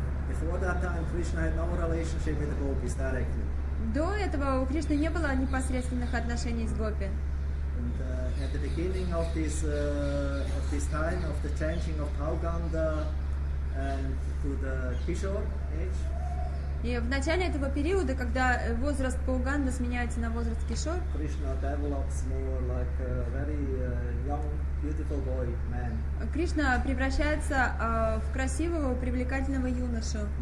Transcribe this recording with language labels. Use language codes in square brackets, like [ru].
[en] Before that time, Krishna had no relationship with the gopis directly. [ru] До этого у Кришны не было непосредственных отношений с гопи. [en] At the beginning of this time of the changing of Pauganda and to the Kishor age. [ru] И в начале этого периода, когда возраст Пауганда сменяется на возраст Кишор, [en] Кришна develops more like a very young, beautiful boy, man. [ru] Кришна превращается в красивого, привлекательного юношу.